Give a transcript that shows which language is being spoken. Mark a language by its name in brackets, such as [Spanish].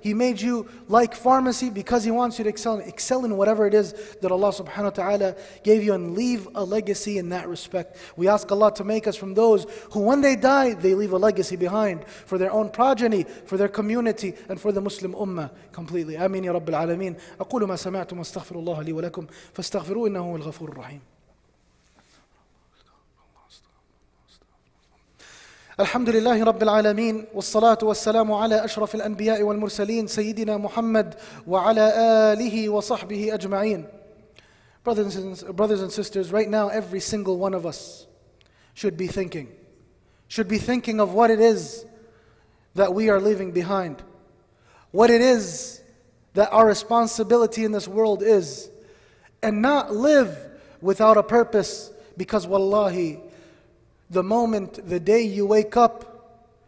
[English] He made you like pharmacy because He wants you to excel in it. Excel in whatever it is that Allah subhanahu wa ta'ala gave you and leave a legacy in that respect. We ask Allah to make us from those who when they die, they leave a legacy behind for their own progeny, for their community, and for the Muslim ummah completely. [Arabic] Ameen ya Rabbil Alameen. أقول ما سمعتم واستغفر الله لي ولكم فاستغفروا إنه هو الغفور الرحيم. الحمد لله رب العالمين والصلاة والسلام على أشرف الأنبياء والمرسلين سيدنا محمد وعلى آله وصحبه أجمعين. [English] Brothers and sisters, right now every single one of us should be thinking of what it is that we are leaving behind, what it is that our responsibility in this world is, and not live without a purpose, because wallahi, the moment, the day you wake up,